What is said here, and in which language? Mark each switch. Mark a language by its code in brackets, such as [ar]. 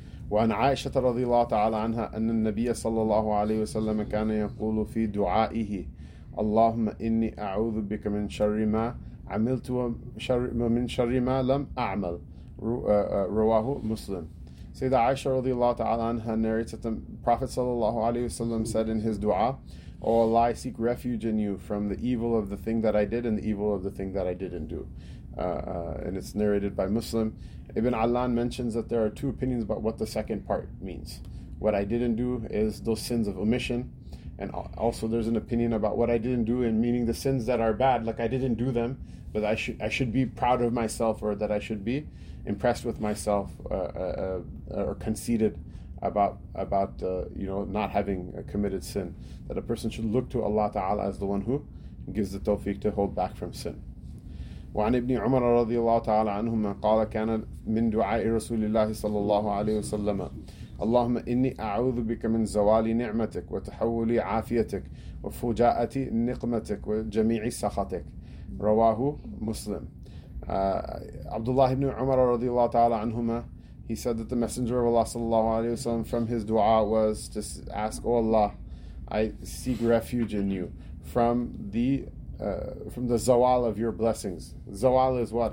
[ar] وعن عائشة رضي الله تعالى عنها أن النبي صلى الله عليه وسلم كان يقول في دعائه اللهم إني أعوذ بك من شر ما عملت ومن شر ما لم أعمل رواه مسلم. [en] Sayyidah Aisha radiallahu ta'ala anha narrates that the Prophet sallallahu alayhi wasallam said in his dua, "O Allah, I seek refuge in you from the evil of the thing that I did and the evil of the thing that I didn't do." And it's narrated by Muslim. Ibn Allan mentions that there are two opinions about what the second part means. What I didn't do is those sins of omission. And also there's an opinion about what I didn't do, and meaning the sins that are bad, like I didn't do them, but I should be proud of myself, or that I should be impressed with myself or conceited about not having committed sin. That a person should look to Allah Ta'ala as the one who gives the tawfiq to hold back from sin. [ar] وعن ابن عمر رضي الله تعالى عنهما قال كان من دعاء رسول الله صلى الله عليه وسلم اللهم إني أعوذ بك من زوال نعمتك وتحول عافيتك وفجاءة نقمتك وجميع سخطك رواه مسلم. [en] Abdullah ibn Umar radiallahu ta'ala anhuma, he said that the Messenger of Allah sallallahu alayhi wa sallam, from his dua was to ask, "Oh Allah, I seek refuge in you from the zawal of your blessings." Zawal is what?